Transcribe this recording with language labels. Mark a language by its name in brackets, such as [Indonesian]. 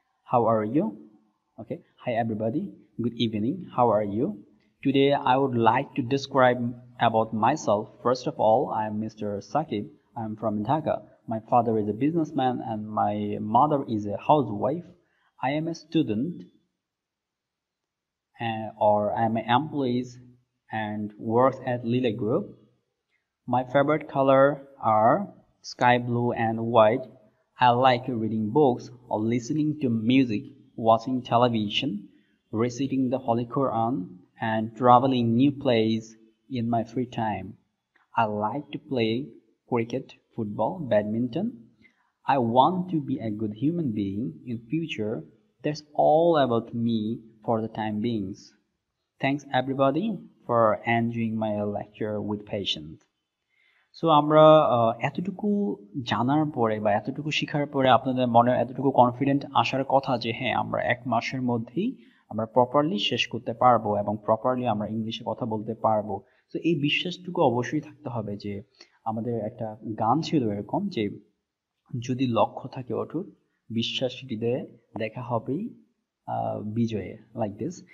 [English] How are you, okay, hi everybody, good evening, how are you, today I would like to describe about myself, first of all I am mister Sakib, I am from Dhaka, my father is a businessman and my mother is a housewife, I am a student or I am an employee and works at Lilac Group. My favorite color are sky blue and white. I like reading books or listening to music, watching television, reciting the Holy Quran, and traveling new places in my free time. I like to play cricket, football, badminton. I want to be a good human being in future. That's all about me for the time being. Thanks everybody for enjoying my lecture with patience. [Bangla] So আমরা এতটুকু জানার পরে বা এতটুকু শেখার পরে আপনাদের মনে এতটুকু কনফিডেন্ট আসার কথা যে হ্যাঁ, আমরা এক মাসের মধ্যেই আমরা প্রপারলি শেষ করতে পারবো এবং প্রপারলি আমরা ইংলিশে কথা বলতে পারবো। সো এই বিশ্বাসটুকু অবশ্যই থাকতে হবে, যে আমাদের একটা গান ছিল এরকম, যে যদি লক্ষ্য থাকে অটুট, বিশ্বাস হৃদয়ে, দেখা হবেই বিজয়ে, [English] Like this.